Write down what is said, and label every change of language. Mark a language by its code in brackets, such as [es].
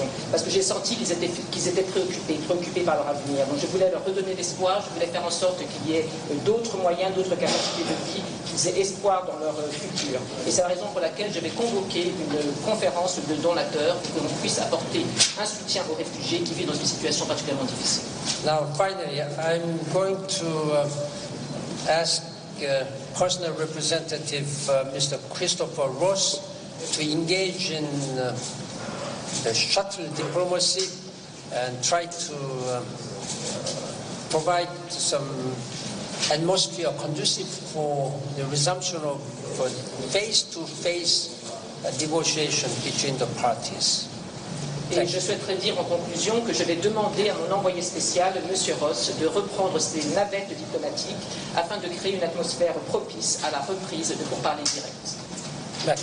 [fr] Parce que j'ai senti qu'ils étaient préoccupés par leur avenir. Donc je voulais leur redonner l'espoir, je voulais faire en sorte qu'il y ait d'autres moyens, d'autres capacités de vie, qu'ils aient espoir dans leur futur. Et c'est la raison pour laquelle je vais convoquer une conférence de donateurs pour que l'on puisse apporter un soutien aux réfugiés qui vivent dans une situation particulièrement difficile. [en] Now, finally, I'm going to ask personal representative Mr. Christopher Ross to engage in the shuttle diplomacy and try to provide some atmosphere conducive for the resumption of face-to-face negotiation between the parties. [fr] Et je souhaiterais dire en conclusion que je vais demander à mon envoyé spécial, M. Ross, de reprendre ses navettes diplomatiques afin de créer une atmosphère propice à la reprise de pourparlers directs.